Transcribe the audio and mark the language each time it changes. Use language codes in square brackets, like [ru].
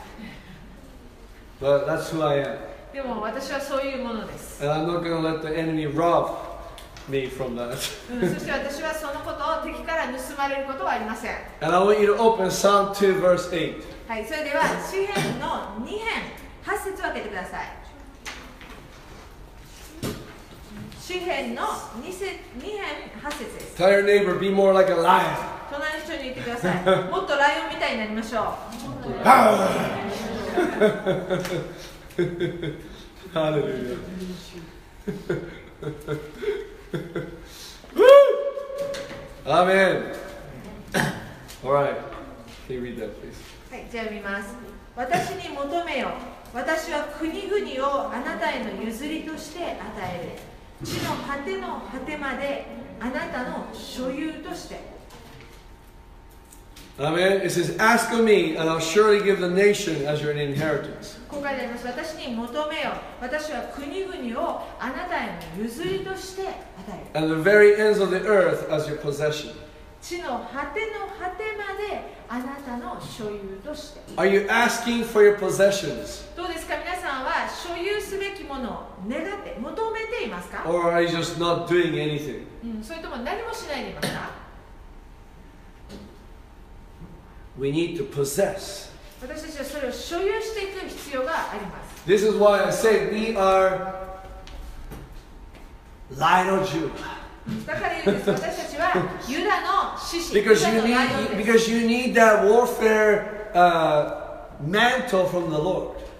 [ja] ちょっとライオンっぽかったらごめんなさい。 [en] But that's who I am. [ja] でも私はそういうものです。 [en] And I'm not going to let the enemy rob me from that. [ja] そして私はそのことを敵から盗まれることはありません。 [en] And I want you to open Psalm 2 verse 8. [ja] はい、それでは詩編の2編8節を開けてください。詩編の2編8節です。 [en] Tell your neighbor, be more like a lion. [ja] 隣の人に言ってください。もっとライオンみたいになりましょう。ハレルヤ。 [en] アメン。All right. Can you read that, please? [ja] はい、じゃあ見ます。私に求めよ。私は国々をあなたへの譲りとして与える。地の果ての果てまであなたの所有として。 [en] Amen. It says, ask of me, and I'll surely give the nation as your inheritance. [ja] 今回であります。私に求めよ。私は国々をあなたへの譲りとして与える。 [en] And the very ends of the earth as your possession. [ja] 地の果ての果てまであなたの所有として。 [en] Are you asking for your possessions? [ja] どうですか、皆さんは所有すべきものを願って求めていますか [en] ？Or are you just not doing anything? [ja] それとも何もしないでいますか [en] ？We need to possess. [ja] 私たちはそれを所有していく必要があります。 [en] This is why I say we are Lion of Judah. because, you need, because you need that warfare mantle from the Lord.